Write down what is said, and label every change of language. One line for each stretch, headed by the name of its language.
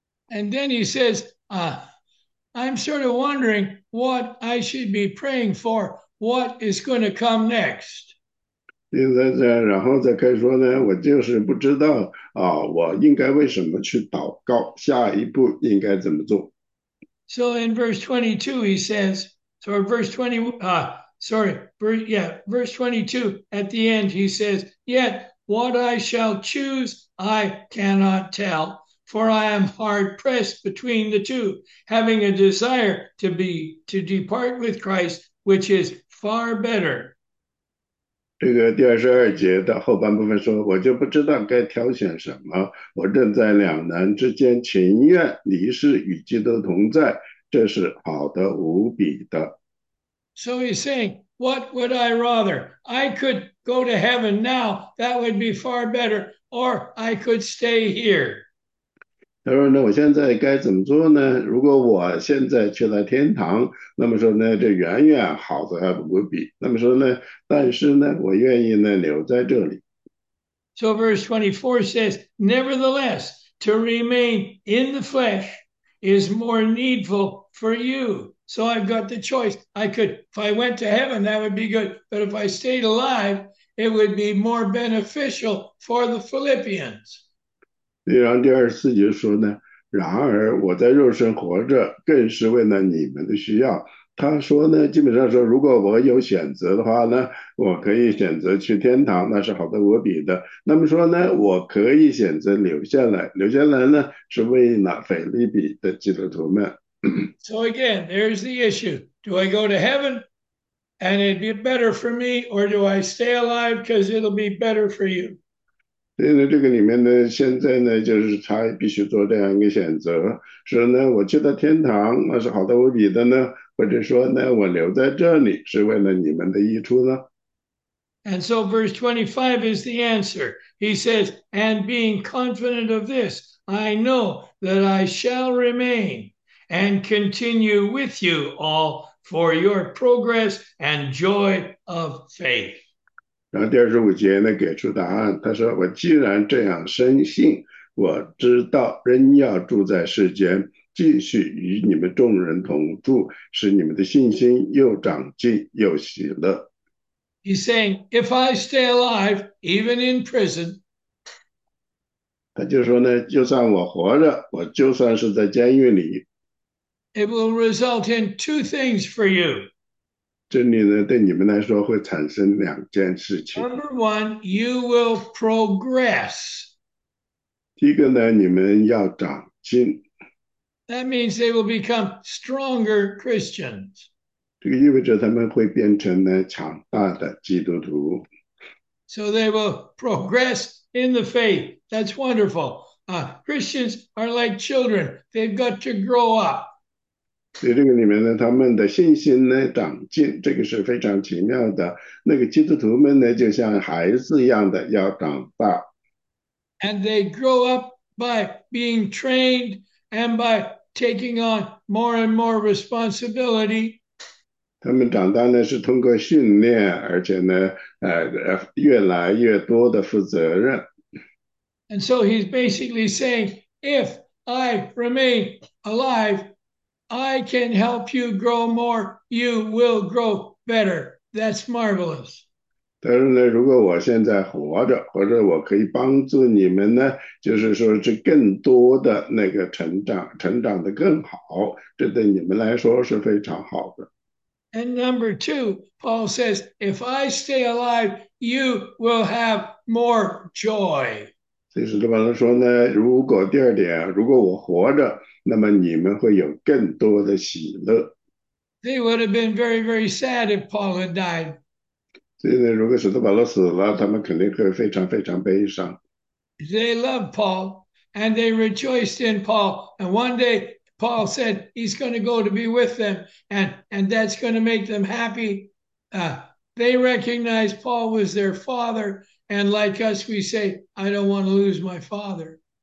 English: And then he says, I'm sort of wondering what I should be praying for, what is going to come next.
Chinese: 现在这，然后再开始说呢，我就是不知道啊，我应该为什么去祷告，下一步应该怎么做？
English: So in verse 22, he says, so verse 20, sorry, verse 22, at the end, he says, yet what I shall choose, I cannot tell. For I am hard pressed between the two, having a desire to depart with Christ, which is far better.
Chinese: 这个第二十二节的后半部分说：“我就不知道该挑选什么，我正在两难之间，情愿离世与基督同在，这是好的无比的。
English: So he's saying, what would I rather? I could go to heaven now, that would be far better, or I could stay here.
Chinese: ”他说：“那我现在该怎么做呢？如果我现在去了天堂，那么说呢，这远远好的还不如比。那么说呢？” 但是呢，我愿意呢留在这里。
English: So verse 24 says, nevertheless, to remain in the flesh is more needful for you. So I've got the choice. If I went to heaven, that would be good. But if I stayed alive, it would be more beneficial for the Philippians.
Chinese: 第二十四节说呢，然而我在肉身活着，更是为了你们的需要。他说呢，基本上说，如果我有选择的话呢，我可以选择去天堂，那是好的无比的。那么说呢，我可以选择留下来，留下来呢，是为了腓立比的基督徒们。
English: So again, there's the issue. Do I go to heaven and it'd be better for me, or do I stay alive because it'll be better for you?
Chinese: 现在这个里面呢，现在呢，就是他必须做这样一个选择，说呢，我去到天堂，那是好的无比的呢，或者说呢，我留在这里是为了你们的益处呢？
English: And so verse 25 is the answer. He says, and being confident of this, I know that I shall remain. And continue with you all for your progress and joy of faith.
Chinese: 然后第25节呢，给出答案。他说：“我既然这样深信，我知道仍要住在世间，继续与你们众人同住，使你们的信心又长进又喜乐。”
English: He's saying, if I stay alive, even in prison,
Chinese: 他就说呢：“就算我活着，我就算是在监狱里。”
English: it will result in two things for you.
Chinese: 这里呢，对你们来说会产生两件事情。
English: Number one, you will progress.
Chinese: 第一个呢，你们要长进。
English: That means they will become stronger Christians.
Chinese: 这个意味着他们会变成呢强大的基督徒。
English: So they will progress in the faith. That's wonderful. Christians are like children. They've got to grow up.
Chinese: 所以这个里面呢，他们的信心呢长进，这个是非常奇妙的。那个基督徒们呢，就像孩子一样的要长大。
English: And they grow up by being trained and by taking on more and more responsibility.
Chinese: 他们长大呢，是通过训练，而且呢，越来越多的负责任。
English: And so he's basically saying, if I remain alive, I can help you grow more. You will grow better. That's marvelous.
Chinese: 但是呢，如果我现在活着，或者我可以帮助你们呢，就是说是更多的那个成长得更好，这对你们来说是非常好的。
English: And number two, Paul says, if I stay alive, you will have more joy.
Chinese: 所以使徒保罗说呢，如果第二点，如果我活着，那么你们会有更多的喜乐。
English: They would have been very, very sad if Paul had died.
Chinese: 所以呢，如果使徒保罗死了，他们肯定会非常非常悲伤。
English: They loved Paul and they rejoiced in Paul, and one day, Paul said he's going to go to be with them, and that's going to make them happy. They recognize Paul was their father, and like us, we say, I don't want to lose my father.